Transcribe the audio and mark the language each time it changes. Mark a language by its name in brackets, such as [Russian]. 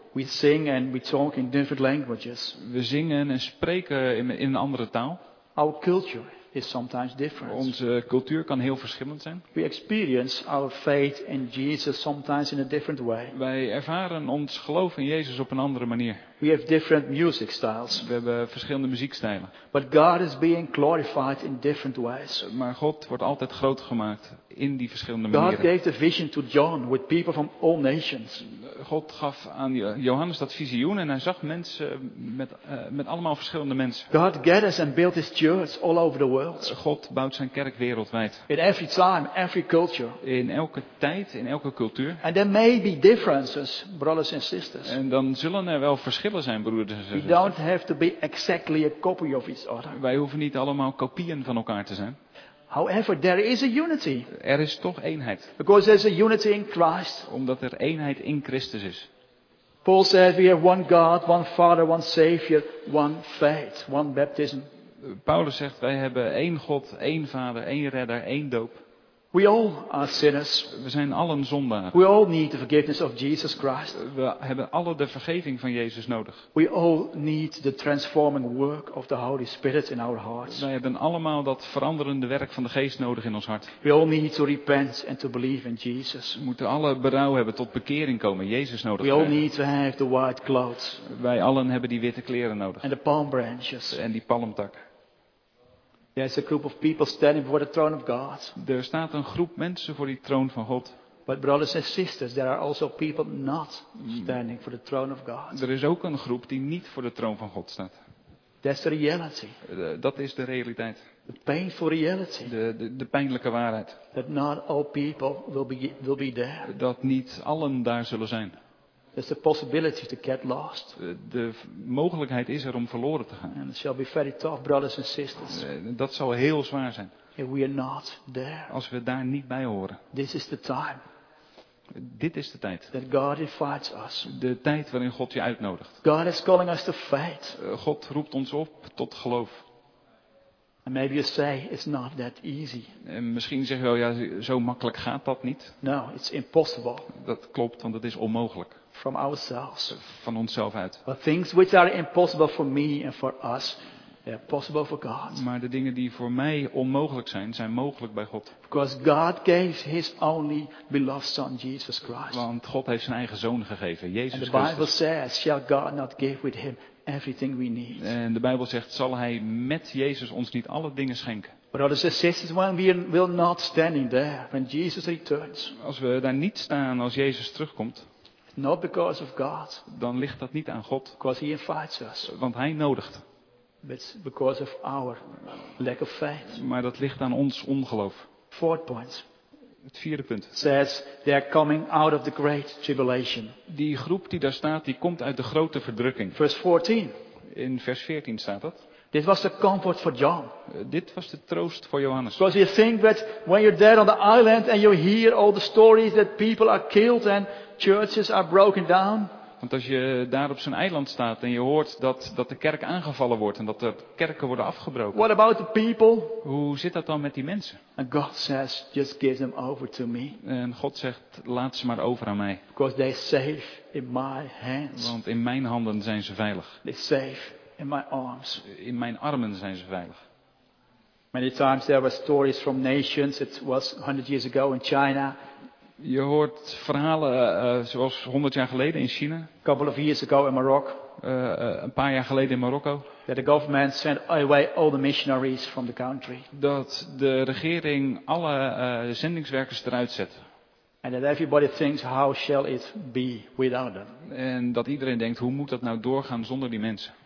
[English] We sing and we talk in different languages. [Dutch] We zingen en spreken in een andere taal. [English] Our culture is sometimes different. [Dutch] Onze cultuur kan heel verschillend zijn. [English] We experience our faith in Jesus sometimes in a different way. [Dutch] Wij ervaren ons geloof in Jezus op een andere manier. [English] We have different music styles. [Dutch] We hebben verschillende muziekstijlen. [English] But God is being glorified in different ways. [Dutch] Maar God wordt altijd groot gemaakt in die verschillende God manieren. [English] God gave the vision to John with people from all nations. [Dutch] God gaf aan Johannes dat visioen en hij zag mensen met allemaal verschillende mensen. [English] God gathers and built his church all over the world. [Dutch] God bouwt zijn kerk wereldwijd. [English] In every time, every culture. [Dutch] In elke tijd, in elke cultuur. [English] And there may be differences, brothers and sisters. [Dutch] En dan zullen er wel verschillen zijn, broeders en zusters. [English] We don't have to be exactly a copy of each other. [Dutch] Wij hoeven niet allemaal kopieën van elkaar te zijn. [English] However, there is a unity. [Dutch] Er is toch eenheid. [English] Because there's a unity in Christ. [Dutch] Omdat er eenheid in Christus is. [English] Paul said we have one God, one Father, one Savior, one faith, one baptism. [Dutch] Paulus zegt wij hebben één God, één Vader, één Redder, één doop. [English] We all are sinners. [Dutch] We zijn allen zondaren. [English] We all need the forgiveness of Jesus Christ. [Dutch] We hebben alle de vergeving van Jezus nodig. [English] We all need the transforming work of the Holy Spirit in our hearts. [Dutch] Wij hebben allemaal dat veranderende werk van de Geest nodig in ons hart. [English] We all need to repent and to believe in Jesus. [Dutch] We moeten alle berouw hebben tot bekering komen, Jezus nodig. [English] We all need to have the white clothes. [Dutch] Wij allen hebben die witte kleren nodig. [English] And the palm branches. [Dutch] En die palmtakken. [English] There's a group of people standing before the throne of God. [Dutch] Er staat een groep mensen voor die troon van God. [English] But brothers and sisters, there are also people not standing for the throne of God. [Dutch] Er is ook een groep die niet voor de troon van God staat. [English] That's the reality. [Dutch] Dat is de realiteit. [English] The painful reality. [Dutch] De pijnlijke waarheid. [English] That not all people will be there. [Dutch] Dat niet allen daar zullen zijn. [English] There's the possibility to get lost. [Dutch] De mogelijkheid is er om verloren te gaan. [English] And it shall be very tough, brothers and sisters. [Dutch] Dat zal heel zwaar zijn. [English] If we are not there. [Dutch] Als we daar niet bij horen. [English] This is the time. [Dutch] Dit is de tijd. [English] That God invites us. [Dutch] De tijd waarin God je uitnodigt. [English] God is calling us to faith. [Dutch] God roept ons op tot geloof. [English] And maybe you say it's not that easy. [Dutch] En misschien zeg je wel, ja, zo makkelijk gaat dat niet. [English] No, it's impossible. [Dutch] Dat klopt, want het is onmogelijk. [English] From ourselves. [Dutch] Van onszelf uit. [English] But things which are impossible for me and for us, they are possible for God. [Dutch] Maar de dingen die voor mij onmogelijk zijn, zijn mogelijk bij God. [English] Because God gave His only beloved Son, Jesus Christ. [Dutch] Want God heeft zijn eigen Zoon gegeven, Jezus Christus. [English] And the Bible says, shall God not give with Him everything we need? [Dutch] En de Bijbel zegt, zal Hij met Jezus ons niet alle dingen schenken? [English] Brothers and sisters, when we will not standing there when Jesus returns. [Dutch] Als we daar niet staan als Jezus terugkomt. [English] Not because of God. [Dutch] Dan ligt dat niet aan God. [English] Because He invites us. [Dutch] Want Hij nodigt. [English] It's because of our lack of faith. [Dutch] Maar dat ligt aan ons ongeloof. [English] Fourth point. [Dutch] Het vierde punt. [English] Says they are coming out of the great tribulation. [Dutch] Die groep die daar staat, die komt uit de grote verdrukking. [English] Verse 14. [Dutch] In vers 14 staat dat. [English] This was the comfort for John. [Dutch] Dit was de troost voor Johannes. [English] Because you think that when you're there on the island and you hear all the stories that people are killed and churches are broken down. [Dutch] Want als je daar op zo'n eiland staat en je hoort dat de kerk aangevallen wordt en dat de kerken worden afgebroken. [English] What about the people? [Dutch] Hoe zit dat dan met die mensen? [English] And God says, just give them over to me. [Dutch] En God zegt, laat ze maar over aan mij. [English] Because they're safe in my hands. [Dutch] Want in mijn handen zijn ze veilig. [English] They're safe in my arms. [Dutch] In mijn armen zijn ze veilig. [English] Many times there were stories from nations. It was 100 years ago in China. [Dutch] Je hoort verhalen zoals 100 jaar geleden in China. [English] Couple of years ago in Morocco. [Dutch] Een paar jaar geleden in Marokko. [English] That the government sent away all the missionaries from the country. [Dutch] Dat de regering alle zendingswerkers eruit zet. [English] And that everybody thinks, how shall it be without them? [Dutch] En dat iedereen denkt, hoe moet dat nou doorgaan zonder die mensen?